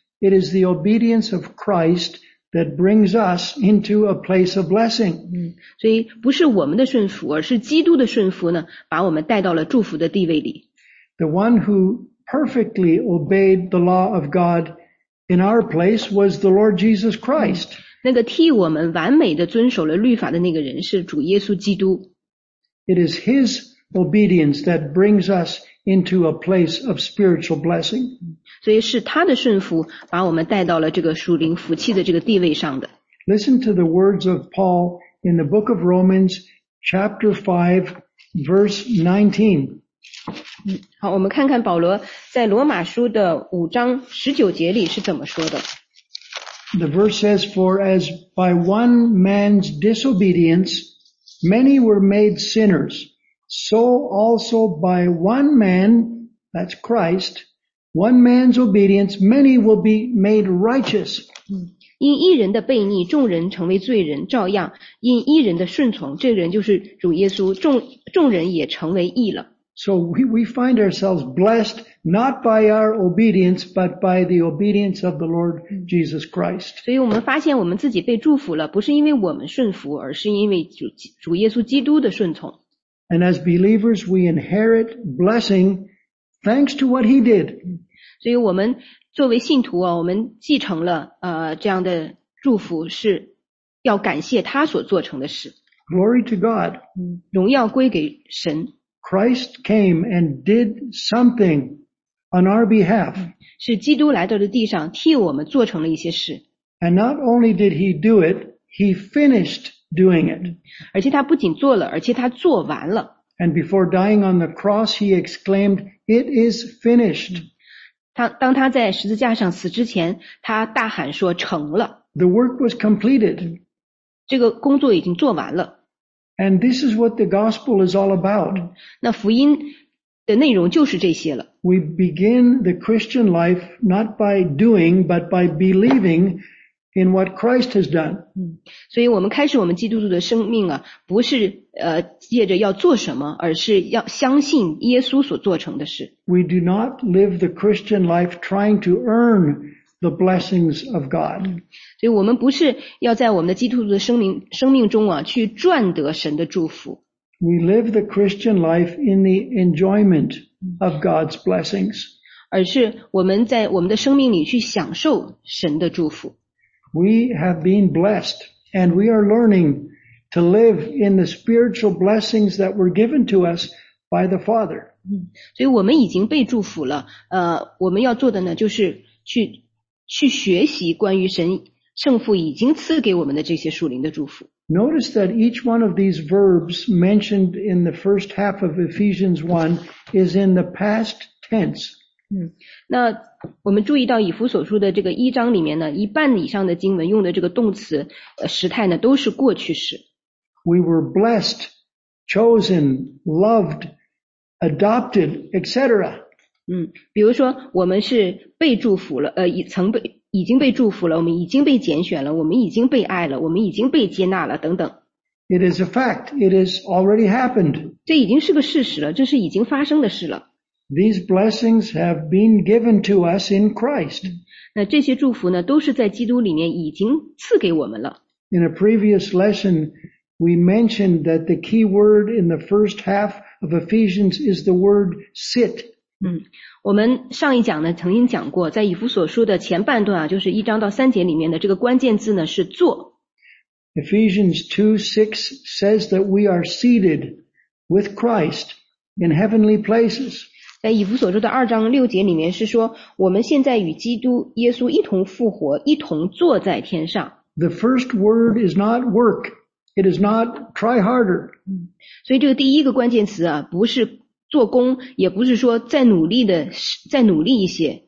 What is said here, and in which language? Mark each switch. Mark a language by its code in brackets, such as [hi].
[en] It is the obedience of Christ that brings us into a place of blessing. [zh] 所以不是我们的顺服，而是基督的顺服呢，把我们带到了祝福的地位里。 [en] The one who perfectly obeyed the law of God in our place was the Lord Jesus Christ. [zh] 那个替我们完美的遵守了律法的那个人是主耶稣基督。 [en] It is his obedience that brings us into a place of spiritual blessing. [zh] 所以是他的顺服把我们带到了这个属灵福气的这个地位上的。 [en] Listen to the words of Paul in the book of Romans, chapter 5, verse 19. [zh] 好，我们看看保罗在罗马书的五章十九节里是怎么说的。 [en] The verse says, For as by one man's disobedience, many were made sinners, so also by one man, that's Christ, one man's obedience, many will be made righteous. [zh] 因一人的悖逆，众人成为罪人，照样，因一人的顺从，这人就是主耶稣，众人也成为义了。 [en] So we find ourselves blessed not by our obedience, but by the obedience of the Lord Jesus Christ. [zh] 所以我们发现我们自己被祝福了，不是因为我们顺服，而是因为主耶稣基督的顺从。 [en] And as believers, we inherit blessing thanks to what he did. [zh] 所以我们作为信徒啊，我们继承了这样的祝福，是要感谢他所做成的事。 [en] Glory to God. [zh] 荣耀归给神。 [en] Christ came and did something on our behalf. [zh] 是基督来到了地上，替我们做成了一些事。 [en] And not only did he do it, he finished doing it. [zh] 而且他不仅做了，而且他做完了。 [en] And before dying on the cross, he exclaimed, "It is finished." [zh] 当他在十字架上死之前，他大喊说，成了。 [en] The work was completed. [zh] 这个工作已经做完了。 [en] And this is what the gospel is all about. [zh] 那福音的内容就是这些了。 [en] We begin the Christian life not by doing, but by believing in what Christ has done. [zh] 所以我们开始我们基督徒的生命啊，不是借着要做什么，而是要相信耶稣所做成的事。 [en] We do not live the Christian life trying to earn the blessings of God. [zh] 所以我们不是要在我们的基督徒的生命中啊，去赚得神的祝福。 [en] We live the Christian life in the enjoyment of God's blessings. [zh] 而是我们在我们的生命里去享受神的祝福。 [en] We have been blessed, and we are learning to live in the spiritual blessings that were given to us by the Father. [zh] 所以我们已经被祝福了，我们要做的呢，就是去学习关于神圣父已经赐给我们的这些属灵的祝福。 [en] Notice that each one of these verbs mentioned in the first half of Ephesians 1 is in the past tense. [zh] 那我们注意到以弗所书的这个一章里面呢，一半以上的经文用的这个动词时态呢，都是过去式。 [en] We were blessed, chosen, loved, adopted, etc. [zh] 比如说我们是被祝福了已经被祝福了，我们已经被拣选了，我们已经被爱了，我们已经被接纳了等等。 [en] It is a fact. It has already happened. [zh] 这已经是个事实了，这是已经发生的事了。 [en] These blessings have been given to us in Christ. [zh] 那这些祝福呢，都是在基督里面已经赐给我们了。 [en] In a previous lesson, we mentioned that the key word in the first half of Ephesians is the word sit. [zh] 我们上一讲呢曾经讲过，在以弗所书的前半段啊，就是一章到三节里面的这个关键字呢是坐。 [en] Ephesians 2:6 says that we are seated with Christ in heavenly places. [zh] 在以弗所书的二章六节里面是说，我们现在与基督耶稣一同复活，一同坐在天上。 [en] The first word is not work. It is not try harder. [zh] 所以这个第一个关键词啊，不是做工，也不是说再努力一些。